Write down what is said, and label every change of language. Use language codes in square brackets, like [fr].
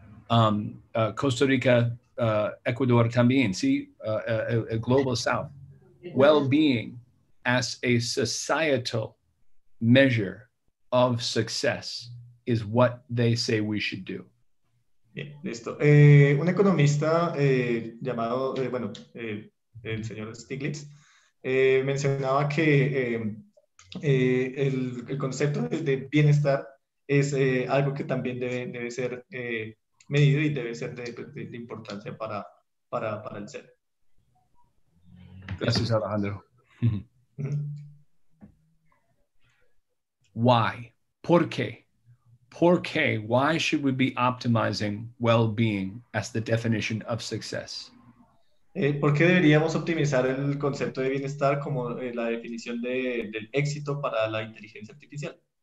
[en] Costa Rica, Ecuador [es] también, sí, [en] a global south, well-being as a societal measure of success is what they say we should do. [es] Bien, listo. Un economista llamado, el señor Stiglitz, mencionaba que el concepto de bienestar es algo que también debe ser medido y debe ser de importancia para el ser. Gracias, Alejandro. [en] Why? [es] ¿Por qué? ¿Por qué? [en] Why should we be optimizing well-being as the definition of success? [es] ¿Por qué deberíamos optimizar el concepto de bienestar como la definición del éxito para la inteligencia artificial?